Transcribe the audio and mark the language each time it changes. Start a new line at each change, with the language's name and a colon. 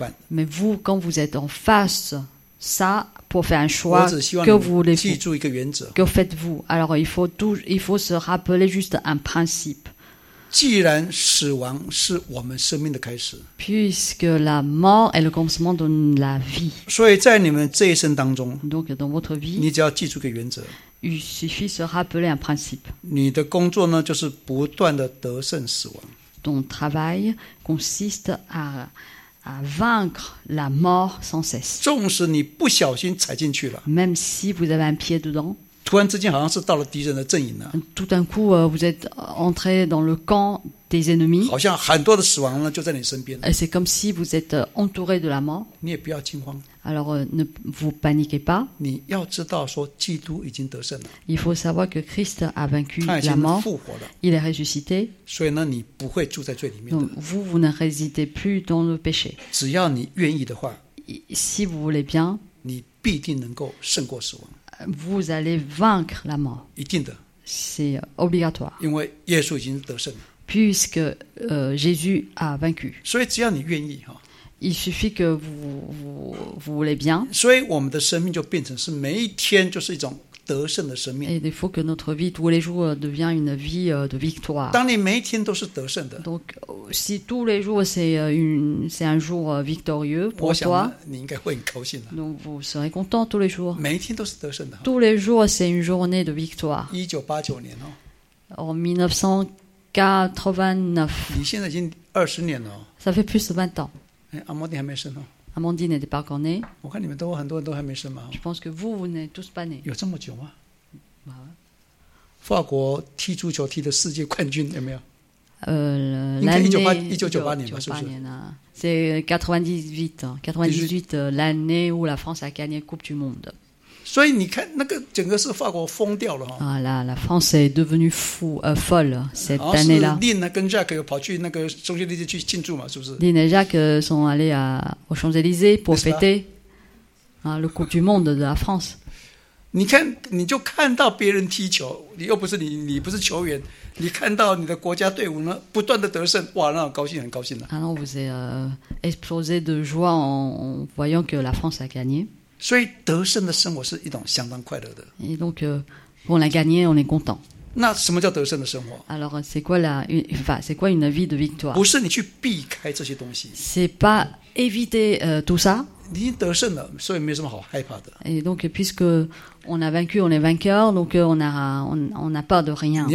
French: Mais vous, quand vous êtes en face à ça, pour faire un choix, que vous voulez, que faites-vous? Alors, il faut se rappeler juste un principe.
Chinese: 既然死亡是我们生命的开始
French: puisque la mort est le commencement de la vie,
Chinese: 所以在你们这一生当中
French: donc dans votre vie,
Chinese: 你只要记住个原则
French: il suffit se rappeler un principe,
Chinese: 你的工作呢就是不断的得胜死亡
French: ton travail consiste à vaincre la mort sans cesse,
Chinese: 纵使你不小心踩进去了
French: même si vous avez un pied dedans,
Chinese: 突然之间好像是到了敌人的阵营了。
French: Tout d'un coup, vous êtes entré dans le camp des ennemis.
Chinese: 好像很多的死亡呢就在你身边。
French: C'est comme si vous êtes entouré de la mort.
Chinese: 你也不要惊慌。
French: Alors, ne vous paniquez pas.
Chinese: 你要知道说基督已经得胜了。
French: Il faut savoir que Christ a vaincu la mort.
Chinese: 他已经复活了。
French: Il est ressuscité.
Chinese: 所以呢你不会住在罪里面的。
French: Donc, vous ne résidez plus dans le péché.
Chinese: 只要你愿意的话。
French: Si vous voulez bien.
Chinese: 你必定能够胜过死亡。
French: Vous allez vaincre la mort.
Chinese: 一定的。
French: C'est obligatoire.
Chinese: 因为耶稣已经得胜了。
French: Puisque Jésus a vaincu.
Chinese: 所以只要你愿意。
French: Il suffit que vous voulez bien.
Chinese: 所以我们的生命就变成是每一天就是一种得胜的生命。
French: Et il faut que notre vie tous les jours devienne une vie de victoire.
Chinese: 当你每一天都是得胜的。
French: Donc, si tous les jours c'est un jour victorieux pour toi,
Chinese: 我想你应该会很高兴的。
French: Donc, vous serez content tous les jours.
Chinese: 每一天都是得胜的。
French: Tous les jours c'est une journée de victoire.
Chinese: 1989年哦。
French: En 1989.
Chinese: 你现在已经二十年了。
French: Ça fait plus de 20 ans.
Chinese: Amandine 还没生哦。
French: Amandine n'était pas encore née。
Chinese: 我看你们都很多人都还没生嘛。
French: Je pense que vous n'êtes tous pas nés。
Chinese: 有这么久吗？啊。法国踢足球踢的世界冠军有没有？
French: L'année
Chinese: 1998年吧，是不是？
French: C'est 98 l'année où la France a gagné Coupe du Monde。
Chinese: 所以你看，那个整个是法国疯掉了哈。
French: La France est devenue folle cette année-là.
Chinese: 是 Lynn 跟 Jacques 跑去那个中心地区去庆祝嘛，是不是
French: ？Lynn et Jacques sont allés aux Champs-Élysées pour fêter le Coupe du Monde de la France.
Chinese: 你看，你就看到别人踢球，你又不是你不是球员，你看到你的国家队伍呢不断的得胜，哇，那高兴很高兴的。
French: Alors vous êtes explosé de joie en voyant que la France a gagné.
Chinese: 所以得胜的生活是一种相当快乐的。
French: Et donc, on l'a gagné, on est content.
Chinese: 那什么叫得胜的生活？
French: Alors, c'est quoi une vie de victoire?
Chinese: 不是你去避开这些东西。
French: C'est pas éviter tout ça.
Chinese: 你已经得胜了，所以没什么好害怕的。
French: Et donc, puisque on a vaincu, on est vainqueur, donc on a peur de rien.